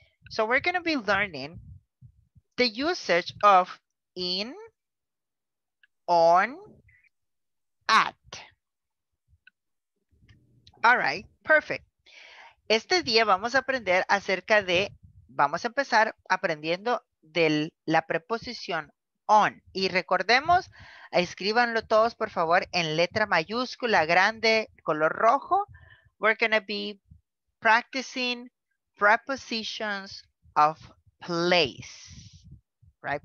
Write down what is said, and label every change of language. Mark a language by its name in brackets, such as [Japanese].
[English] So we're going to be learning the usage of in, on, at. All right, perfect. [Spanish] Este día vamos a aprender acerca de, vamos a empezar aprendiendo de la preposición on. Y recordemos, escríbanlo todos, por favor, en letra mayúscula, grande, color rojo. [English] We're going to be practicing prepositions of place, right?